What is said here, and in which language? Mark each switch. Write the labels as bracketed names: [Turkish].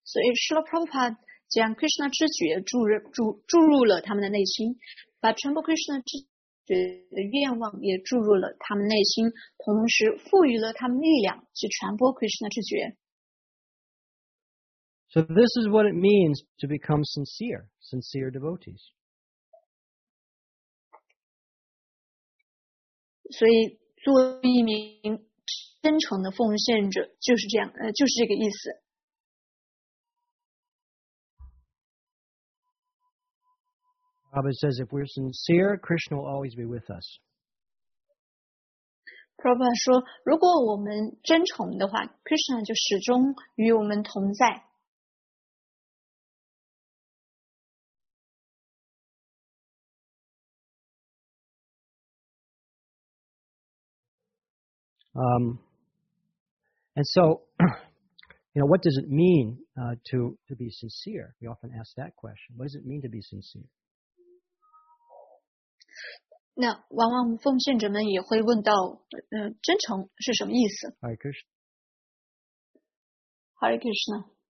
[Chinese] So, Srila Prabhupada 将 Krishna 之觉注入了他们的内心，把传播 Krishna 之愿望也注入了他们内心，同时赋予了他们力量去传播 Krishna 之觉。 [English] So this is what it means to become sincere devotees. [Chinese] 所以作为一名真诚的奉献者就是这样，就是这个意思。 [English] Prabhupada says, if we're sincere, Krishna will always be with us. [Chinese] Prabhupada 说，如果我们真诚的话，Krishna 就始终与我们同在。 [English] And so, you know, what does it mean to be sincere? We often ask that question. What does it mean to be sincere? [Chinese] 那往往奉献者们也会问到真诚是什么意思 [Sanskrit] Hare Krishna